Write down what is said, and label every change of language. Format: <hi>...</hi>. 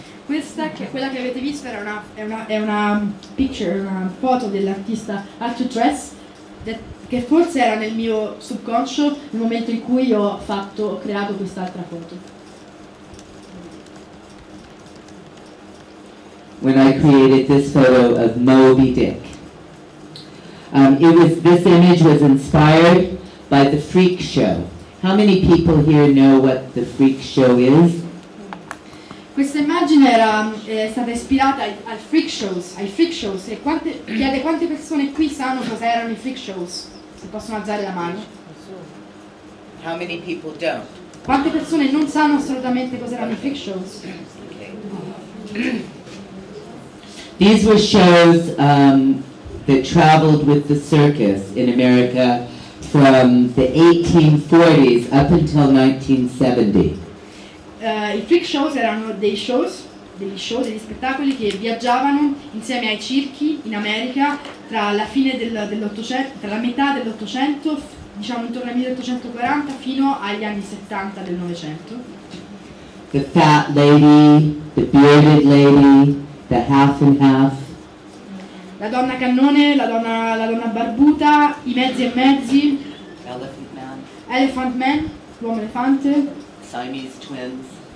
<it>questa, che quella che avete visto era una picture, una foto dell'artista Art to Dress, che forse era nel mio subconscio nel momento in cui ho creato quest'altra foto.</it> <en>When I created this photo of Moby Dick, this image was inspired by the Freak Show. How many people here know what the Freak Show is?</en> <it>Questa immagine era stata ispirata al Freak Shows. E quante persone qui sanno cosa erano i Freak Shows? Se possono alzare la mano.</it> <en>How many people don't?</en> <it>Quante persone non sanno assolutamente cosa erano i Freak Shows?</it> <en>These were shows that traveled with the circus in America from the 1840s up until 1970.</en> <it>I freak shows erano degli spettacoli che viaggiavano insieme ai circhi in America tra la fine dell'Ottocento, tra la metà dell'Ottocento, diciamo intorno al 1840, fino agli anni 70 del Novecento.</it> <en>The fat lady, the bearded lady, the half and half.</en> <it>La donna cannone, la donna barbuta, i mezzi e mezzi.</it> <en>Elephant man.</en> <it>L'uomo elefante.</it> <en>Siamese twins.</en>